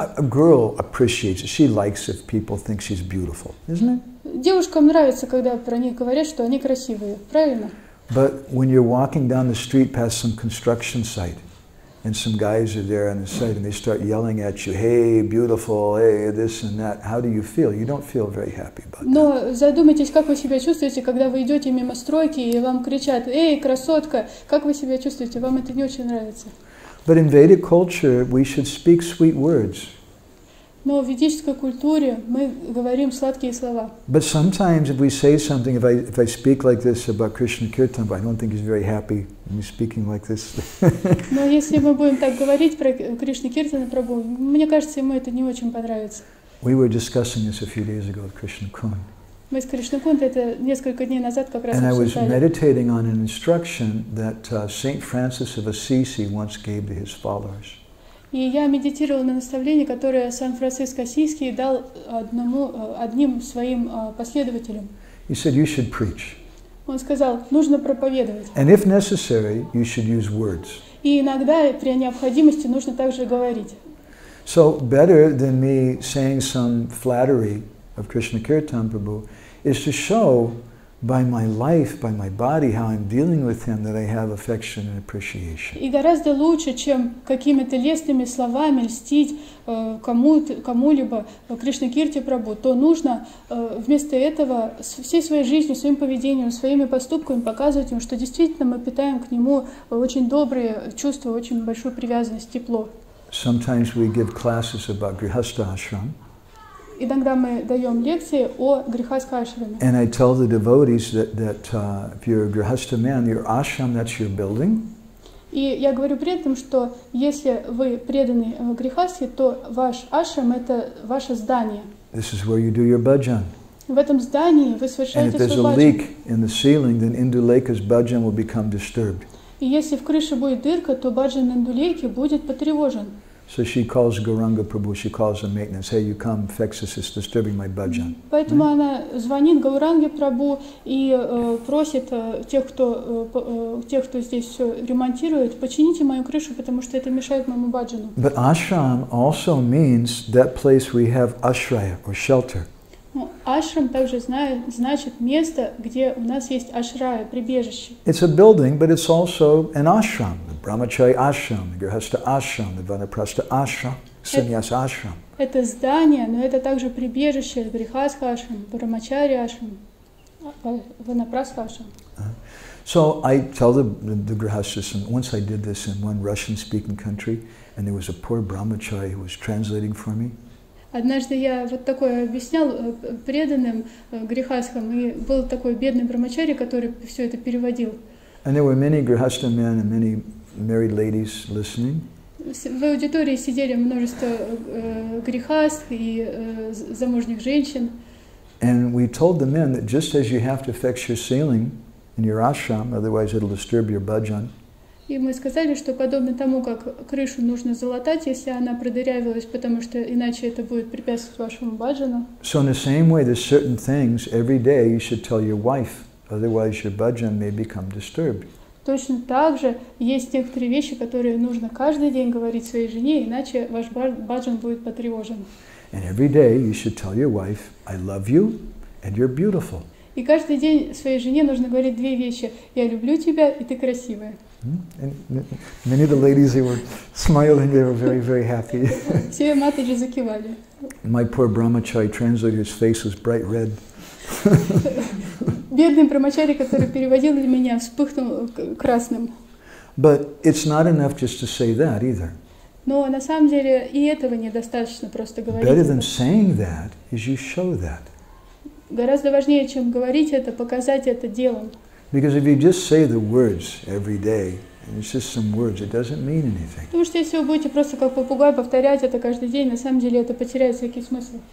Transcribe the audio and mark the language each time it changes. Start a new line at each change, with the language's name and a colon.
English: A girl appreciates, she likes if people think she's beautiful, isn't it?
Russian: Девушкам нравится, когда про них говорят, что они красивые, правильно?
English: But when you're walking down the street past some construction site, and some guys are there on the site, and they start yelling at you, "Hey, beautiful, hey, this and that," how do you feel? You don't feel very happy about that.
Russian: Но задумайтесь, как вы себя чувствуете, когда вы идете мимо стройки, и вам кричат, "Эй, красотка!" Как вы себя чувствуете? Вам это не очень нравится.
English: But in Vedic culture, we should speak sweet words.
Russian: Но в ведической культуре мы говорим сладкие слова.
English: But sometimes if we say something, if I speak like this about Krishna Kirtan, I don't think he's very happy me speaking like this.
Russian: Но если мы будем так говорить про Кришну Киртана Прабху, мне кажется, ему это не очень понравится.
English: We were discussing this a few days ago with Krishna Kund.
Russian: Мы с Кришной Кунд это несколько дней назад как раз обсуждали.
English: And I was meditating on an instruction that Saint Francis of Assisi once gave to his followers.
Russian: И я медитировал на наставление, которое Сан-Франциско Ассизский дал одним своим последователям.
English: He said, you should preach.
Russian: Он сказал, нужно проповедовать.
English: And if necessary, you should use words.
Russian: И иногда при необходимости нужно также говорить.
English: So better than me saying some flattery of Krishna Kirtan Prabhu is to show by my life, by my body, how I'm dealing with him, that I have affection and appreciation.
Russian: И гораздо лучше, чем какими-то лестными словами льстить кому-либо Кришна Кирти Прабху, то нужно вместо этого всей своей жизнью, своим поведением, своими поступками показывать ему, что действительно мы питаем к нему очень добрые чувства, очень большую привязанность, тепло.
English: Sometimes we give classes about Grihastha Ashram.
Russian: Иногда мы даем лекции о грихастхашраме.
English: And I tell the devotees that if you're a grihastha man, your ashram, that's your building.
Russian: И я говорю при этом, что если вы преданный грихастхе, то ваш ашрам — это ваше здание.
English: This is where you do your bhajan.
Russian: В этом здании вы совершаете свой
English: bhajan. And if there's a leak in the ceiling, then Induleka's bhajan will become disturbed.
Russian: И если в крыше будет дырка, то bhajan Induleki будет потревожен.
English: So she calls Gauranga Prabhu, she calls the maintenance, hey, you come, fix this, it's disturbing my bhajan.
Russian: Поэтому она звонит Гауранге Прабху и просит тех, кто здесь все ремонтирует, почините мою крышу, потому что это мешает моему bhajanу.
English: But ashram also means that place we have ashraya, or shelter.
Russian: Ну, ashram также значит место, где у нас есть ashraya, прибежище.
English: It's a building, but it's also an ashram. Brahmachari ashram, Grihastha ashram, Vanaprastha ashram, Sannyasa ashram.
Russian: Это здание, но это также прибежище, Грихастха ашрам, Брамачари ашрам, Ванапрастха ашрам.
English: So I tell the Grihasthas, and once I did this in one Russian-speaking country, and there was a poor Brahmachari who was translating for me.
Russian: Однажды я вот такое объяснял преданным грихастхам, и был такой бедный Брамачари, который все это переводил.
English: And there were many Grihastha men and many married ladies listening.
Russian: В аудитории сидели множество грихастх и замужних женщин.
English: And we told the men that just as you have to fix your ceiling in your ashram, otherwise it'll disturb your bhajan.
Russian: И мы сказали, что подобно тому, как крышу нужно залатать, если она продырявилась, потому что иначе это будет препятствовать вашему bhajanu.
English: So in the same way, there's certain things every day you should tell your wife, otherwise your bhajan may become disturbed.
Russian: Точно так же есть некоторые вещи, которые нужно каждый день говорить своей жене, иначе ваш bhajan будет потревожен.
English: And every day you should tell your wife, I love you and you're beautiful.
Russian: И каждый день своей жене нужно говорить две вещи: я люблю тебя и ты красивая.
English: And many of the ladies, they were smiling, they were very, very happy.
Russian: Все матери закивали.
English: My poor Brahmachari translator, his face was bright red.
Russian: Бедный Брамачари, который переводил для меня, вспыхнул красным.
English: But it's not enough just to say that either.
Russian: Но на самом деле и этого недостаточно просто говорить.
English: Better than saying that is you show that.
Russian: Гораздо важнее, чем говорить это, показать это делом.
English: Because if you just say the words every day, and it's just some words, it doesn't mean anything.
Russian: Потому что если вы будете просто как попугай повторять это каждый день, на самом деле это потеряет всякий смысл.